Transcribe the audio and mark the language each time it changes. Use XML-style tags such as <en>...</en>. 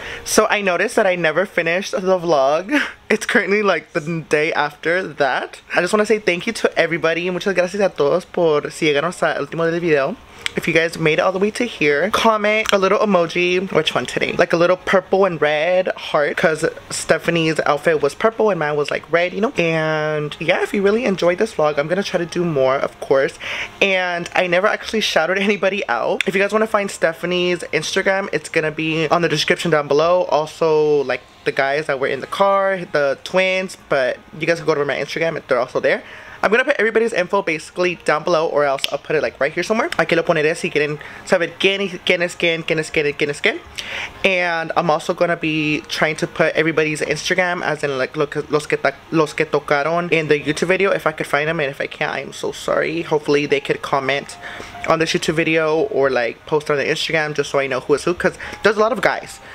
<en>So I noticed that I never finished the vlog. It's currently like the day after that. I just want to say thank you to everybody.</en> <es>Muchas gracias a todos por si llegaron hasta el último del video.</es> <en>If you guys made it all the way to here, comment a little emoji. Which one today? Like a little purple and red heart, because Stephanie's outfit was purple and mine was like red, you know? And yeah, if you really enjoyed this vlog, I'm gonna try to do more, of course. And I never actually shouted anybody out. If you guys want to find Stephanie's Instagram, it's gonna be on the description down below. Also, like, the guys that were in the car, the twins, but you guys can go to my Instagram, they're also there. I'm gonna put everybody's info basically down below, or else I'll put it like right here somewhere.</en> <es>Aquí lo poneré si quieren saber quién es quién.</es> <en>And I'm also gonna be trying to put everybody's Instagram, as in like</en> <es>los que tocaron</es> <en>in the YouTube video, if I could find them. And if I can't, I'm so sorry. Hopefully they could comment on this YouTube video or like post on the Instagram, just so I know who is who, because there's a lot of guys.</en>